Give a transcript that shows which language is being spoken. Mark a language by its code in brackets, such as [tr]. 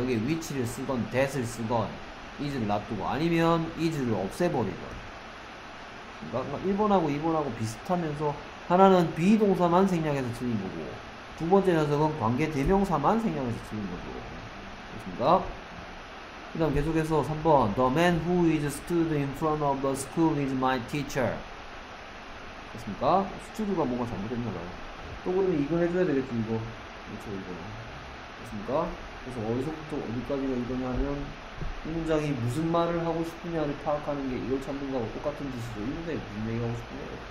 [ko] 여기 위치를 쓰건 that을 쓰건 is를 놔두고 아니면 is를 없애버리건. 그러니까 1번하고 2번하고 비슷하면서 하나는 비동사만 생략해서 쓰는 거고 두 번째 녀석은 관계 대명사만 생략해서 쓰는 거죠. 그렇습니까? 그 다음 계속해서 3번 [en] The man who is stood in front of the school is my teacher. [ko] 그렇습니까? 스튜드가 뭐가 잘못됐나봐요. 또 그러면 이거 해줘야 되겠지. 이거 그렇죠. 이거 됐습니까? 그래서 어디서부터 어디까지가 이거냐 하면 이 문장이 무슨 말을 하고 싶으냐를 파악하는 게 이걸 찾는 거하고 똑같은 짓이죠. 이 문장이 무슨 얘기하고 싶으냐.